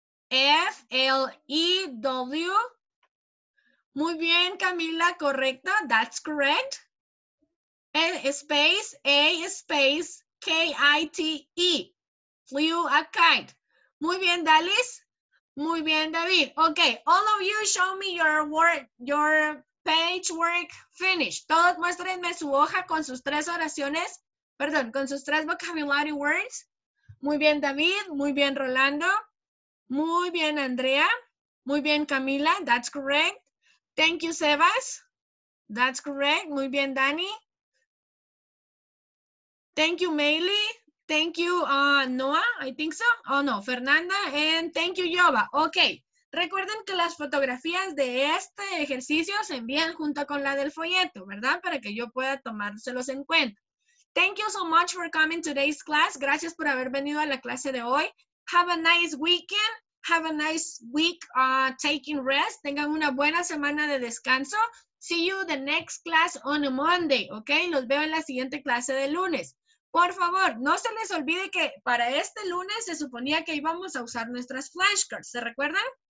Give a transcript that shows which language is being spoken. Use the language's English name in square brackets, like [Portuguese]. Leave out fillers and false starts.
[Spanish] F-L-E-W. Muy bien, Camila, correcto. [English] That's correct. Space, A space, K-I-T-E. Flew a kite. [Spanish] Muy bien, Dalis. Muy bien, David. [English] Okay, all of you show me your work, your page work finished. [Spanish] Todos muéstrenme su hoja con sus tres oraciones. Perdón, con sus tres [English] vocabulary words. [Spanish] Muy bien, David. Muy bien, Rolando. Muy bien, Andrea. Muy bien, Camila. [English] That's correct. Thank you, Sebas. That's correct. [Spanish] Muy bien, Dani. [English] Thank you, Meili. Thank you, Noah, I think so. Oh, no, Fernanda. And thank you, Yoba. Ok. [Spanish] Recuerden que las fotografías de este ejercicio se envían junto con la del folleto, ¿verdad? Para que yo pueda tomárselos en cuenta. [English] Thank you so much for coming to today's class. [Spanish] Gracias por haber venido a la clase de hoy. [English] Have a nice weekend. Have a nice week taking rest. [Spanish] Tengan una buena semana de descanso. [English] See you the next class on a Monday, ¿ok? [Spanish] Los veo en la siguiente clase de lunes. Por favor, no se les olvide que para este lunes se suponía que íbamos a usar nuestras flashcards, ¿se recuerdan?